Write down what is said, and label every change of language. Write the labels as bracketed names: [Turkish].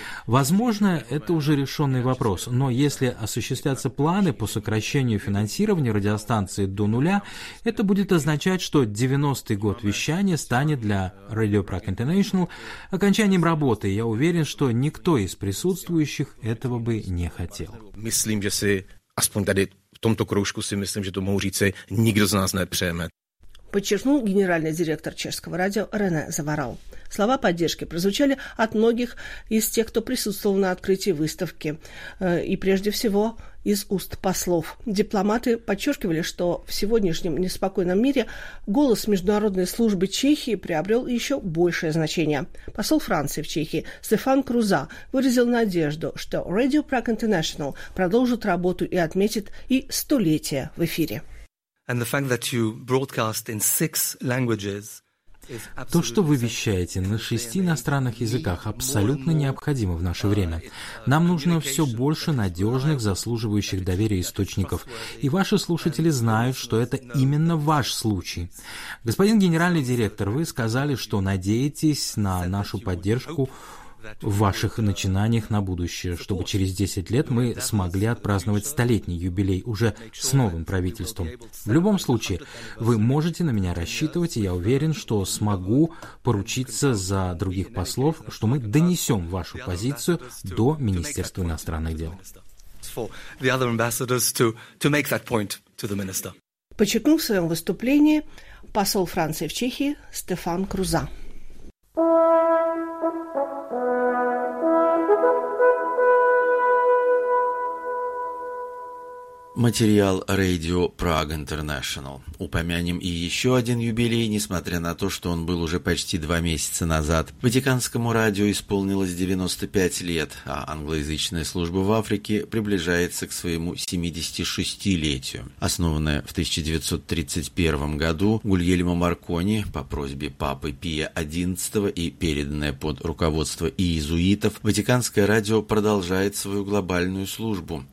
[Russian] Возможно, это уже решенный вопрос, но если осуществятся планы по сокращению финансирования радиостанции до нуля, это будет означать, что 90-й год вещания станет для Radio Prague International окончанием работы. Я уверен, что никто из присутствующих этого бы не хотел. [Czech] Aspoň tady v tomto kroužku si myslím, že to mohu říci, nikdo z nás nepřejeme. [Russian] Подчеркнул генеральный директор чешского радио Рене Заварал. Слова поддержки прозвучали от многих из тех, кто присутствовал на открытии выставки. И прежде всего из уст послов. Дипломаты подчеркивали, что в сегодняшнем неспокойном мире голос международной службы Чехии приобрел еще большее значение. Посол Франции в Чехии Стефан Круза выразил надежду, что Radio Prague International продолжит работу и отметит и столетие в эфире. [English] And the fact that you broadcast in six languages. [Russian] То, что вы вещаете на шести иностранных языках, абсолютно необходимо в наше время. Нам нужно все больше надежных, заслуживающих доверия источников, и ваши слушатели знают, что это именно ваш случай. Господин генеральный директор, вы сказали, что надеетесь на нашу поддержку в ваших начинаниях на будущее, чтобы через 10 лет мы смогли отпраздновать столетний юбилей уже с новым правительством. В любом случае, вы можете на меня рассчитывать, и я уверен, что смогу поручиться за других послов, что мы донесем вашу позицию до Министерства иностранных дел. Подчеркнул в своем выступлении посол Франции в Чехии Стефан Круза. материал Radio Prague International. Упомянем и еще один юбилей, несмотря на то, что он был уже почти два месяца назад. Ватиканскому радио исполнилось 95 лет, а англоязычная служба в Африке приближается к своему 76-летию. Основанная в 1931 году, Гульельмо Маркони по просьбе папы Пия XI и переданная под руководство иезуитов, Ватиканское радио продолжает свою глобальную службу.